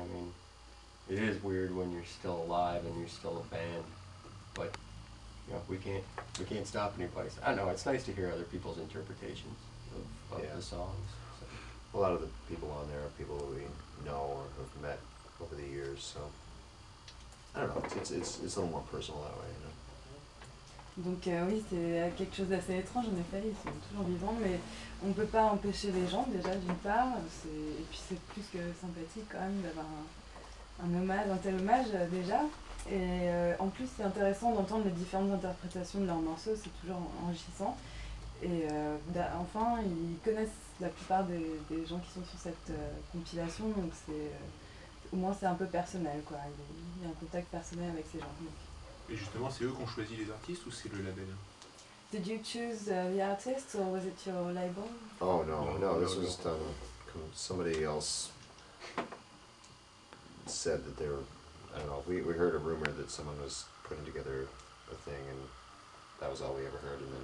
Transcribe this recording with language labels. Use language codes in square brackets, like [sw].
[en] I mean, it is weird when you're still alive and you're still a band, but you know, we can't stop anybody. So, I don't know, it's nice to hear other people's interpretations of the songs. So. A lot of the people on there are people we know or have met over the years, so I don't know, it's a little more personal that way, you know. [fr] Donc oui, c'est quelque chose d'assez étrange, en effet, ils sont toujours vivants, mais on ne peut pas empêcher les gens, déjà, d'une part, et puis c'est plus que sympathique quand même d'avoir un hommage, un tel hommage, déjà. Et en plus, c'est intéressant d'entendre les différentes interprétations de leurs morceaux, c'est toujours enrichissant. Et enfin, ils connaissent la plupart des gens qui sont sur cette compilation, donc c'est au moins c'est un peu personnel, quoi. Il y a un contact personnel avec ces gens. Donc. Et justement, c'est eux qui ont choisi les artistes ou c'est le label? [en] Did you choose the artist or was it your label? Oh no, this was somebody else said that they were. I don't know. We heard a rumor that someone was putting together a thing, and that was all we ever heard.